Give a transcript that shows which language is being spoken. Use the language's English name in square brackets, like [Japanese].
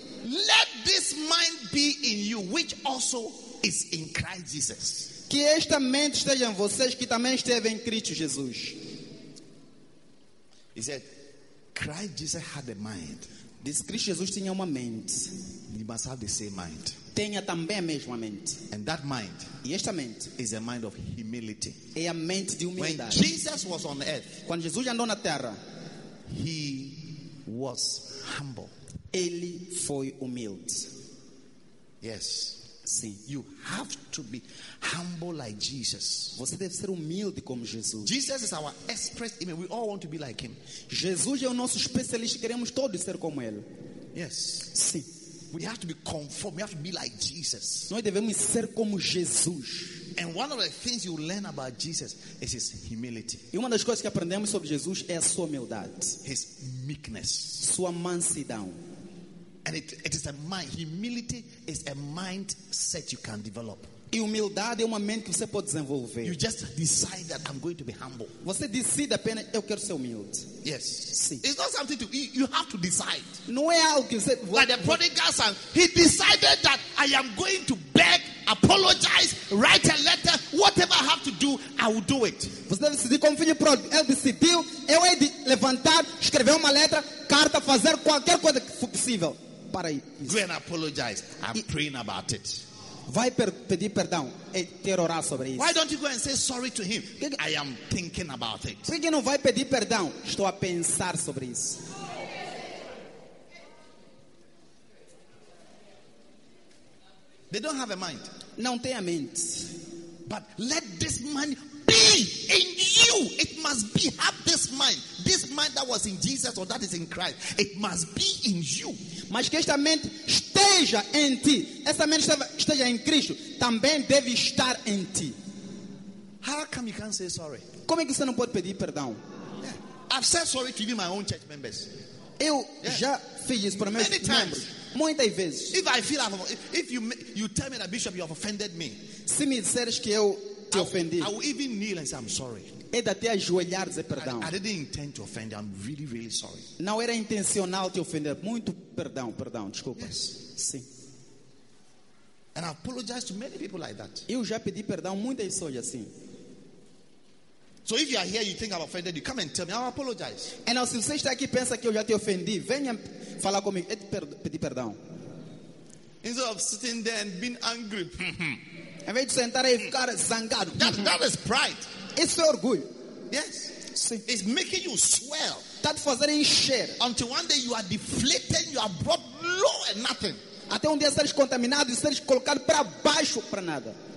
[English] Let this mind be in you, which also is in Christ Jesus. [Portuguese] Que esta mente esteja em vocês, que também esteve em Cristo Jesus. [English] He said, Christ Jesus had a mind. [Portuguese] Diz Cristo Jesus tinha uma mente. [English] You must have the same mind. [Portuguese] Tenha também a mesma mente. [English] And that mind, [Portuguese] e esta mente, [English] is a mind of humility. [Portuguese] É a mente de humildade. [English] When Jesus was on earth, [Portuguese] quando Jesus andou na terra, [English] he was humble. [Portuguese] Ele foi humilde. [English] Yes. [Portuguese] Sim. [English] You have to be humble like Jesus. [Portuguese] Você deve ser humilde como Jesus. [English] Jesus is our express image. We all want to be like him. [Portuguese] Jesus é o nosso especialista. Queremos todos ser como ele. [English] Yes. [Portuguese] Sim. [English] We have to be conform. We have to be like Jesus. [Portuguese] Nós devemos ser como Jesus. [English] And one of the things you learn about Jesus is his humility. [Portuguese] E uma das coisas que aprendemos sobre Jesus é a sua humildade. [English] His meekness. [Portuguese] Sua mansidão. [English] And it is a mind. Humility is a mindset you can develop. [Portuguese] E humildade é uma mente que você pode desenvolver. [English] You just decide that I'm going to be humble. [Portuguese] Você decide apenas eu quero ser humilde. [English] Yes. [Portuguese] Sim. [English] It's not something to you have to decide. [Portuguese] Não é algo que você. [English] Like the prodigal son, he decided that I am going to beg, apologize, write a letter, whatever I have to do, I will do it. [Portuguese] Você decidiu como filho pródigo, ele decidiu, eu hei de levantar, escrever uma letra, carta, fazer qualquer coisa que for possível para isso. [English] Go and apologize. I'm praying about it. [Portuguese] Vai pedir perdão e ter orar sobre isso. [English] Why don't you go and say sorry to him? I am thinking about it. [Portuguese] Por que não vai pedir perdão? Estou a pensar sobre isso. [English] They don't have a mind. [Portuguese] Não tem a mente. [English] But let this mind be in you. It must be. Have this mind. This mind that was in Jesus or that is in Christ. It must be in you. [Portuguese] Mas que esta mente esteja em ti. Essa mente esteja em Cristo. Também deve estar em ti. [English] How come you can't say sorry? [Portuguese] Como é que você não pode pedir perdão? [English] Yeah. I've said sorry to even my own church members. [Portuguese] Eu já fiz isso para meus [English] Many [Portuguese] membros. [English] Times. [Portuguese] Muitas vezes. [English] If I feel if you tell me that bishop you have offended me. [Portuguese] Se me disseres que eu te ofendi. [English] I will even kneel and say I'm sorry. [Portuguese] É de até ajoelhar e dizer perdão. [English] I didn't intend to offend you. I'm really really sorry. [Portuguese] Não era intencional te ofender. Muito perdão, desculpa. [English] Yes. [Portuguese] Sim. [English] And I apologize to many people like that. [Portuguese] Eu já pedi perdão muitas pessoas assim. [English] So if you are here, you think I'm offended, you come and tell me. I'll apologize. [Portuguese] E não, se você está aqui pensa que eu já te ofendi, venha falar comigo e pedir perdão. [English] Instead of sitting there and being angry. [Portuguese] Em vez de sentar aí e ficar zangado. [English] That is pride. It's orgulho. Yes. [Portuguese] Sim. [English] It's making you swell. [Portuguese] Está te fazendo encher. [English] Until one day you are deflated, you are brought low and nothing. [Portuguese] Até um dia seres contaminado e seres colocado para baixo para nada.